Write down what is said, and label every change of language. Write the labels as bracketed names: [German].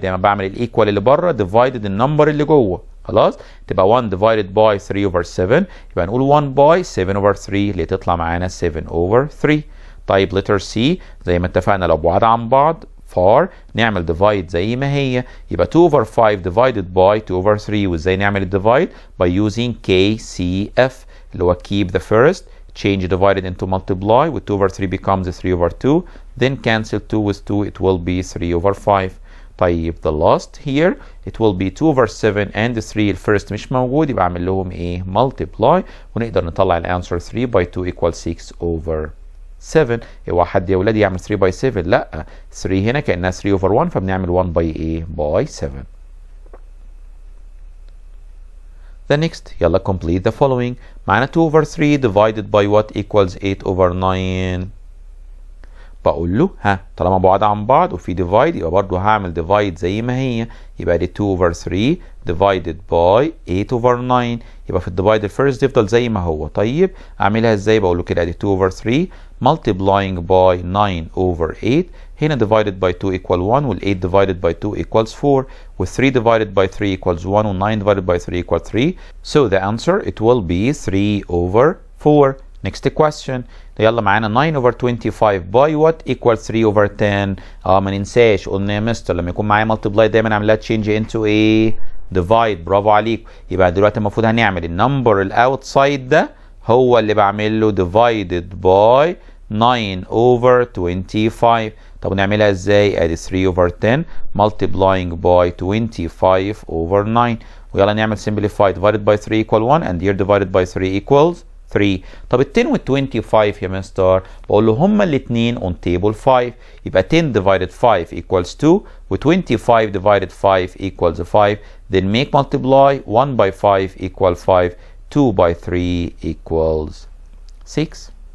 [Arabic] دايما بعمل الايكوال اللي بره ديفايدد النمبر اللي جوه خلاص. تبقى 1 ديفايدد باي 3 اوفر 7 يبقى نقول 1 باي 7 اوفر 3 اللي تطلع معانا 7 اوفر 3. طيب letter C زي ما اتفقنا لو بعاد عن بعض far نعمل divide زي ما هي يبقى 2 over 5 [English] divided by 2 over 3. [Arabic] وازاي نعمل [English] divide by using KCF اللي هو keep the first change divided into multiply with 2 over 3 becomes 3 over 2 then cancel 2 with 2 it will be 3 over 5. طيب the last here it will be 2 over 7 and 3 ال first [Arabic] مش موجود يبقى اعمل لهم ايه [English] multiply ونقدر نطلع الانسر 3 by 2 equals 6 over 7. [Arabic] اوعى حد يا ولادي يعمل 3 باي 7 لا 3 هنا كانها 3 اوفر 1 فبنعمل 1 باي ايه باي 7. [English] The next [Arabic] يلا [English] complete the following. معنا 2 over 3 divided by what equals 8 over 9. [Arabic] بقول له ها طالما بعاد عن بعض وفي ديفايد يبقى برضه هعمل ديفايد زي ما هي يبقى دي 2 اوفر 3 [English] divided by 8 over 9 [Arabic] يبقى في الديفايد الفيرست يفضل زي ما هو. [English] طيب اعملها ازاي بقول له كده ادي 2 over 3 multiplying by 9 over 8 هنا divided by 2 equal 1 وال 8 divided by 2 equals 4 و 3 divided by 3 equals 1 و 9 divided by 3 equals 3 so the answer it will be 3 over 4. Next question يلا معانا 9 over 25 by what equals 3 over 10. [Arabic] ما ننساش قلنا يا مستر لما يكون معايا multiply دايما اعملها [English] change into a divide. [Arabic] برافو عليك. يبقى دلوقتي المفروض هنعمل النمبر الاوتسايد ده هو اللي بعمل له [English] divided by 9 over 25. [Arabic] طب نعملها ازاي؟ [English] ادي 3 over 10 multiplying by 25 over 9 ويلا نعمل simplify divided by 3 equal 1 and here divided by 3 equals 3. طب ال 10 وال 25 يا مستر بقول له هما الاثنين on table 5 يبقى 10 divided 5 equals 2 و 25 divided 5 equals 5 then make multiply 1 by 5 equal 5 2 by 3 equals 6.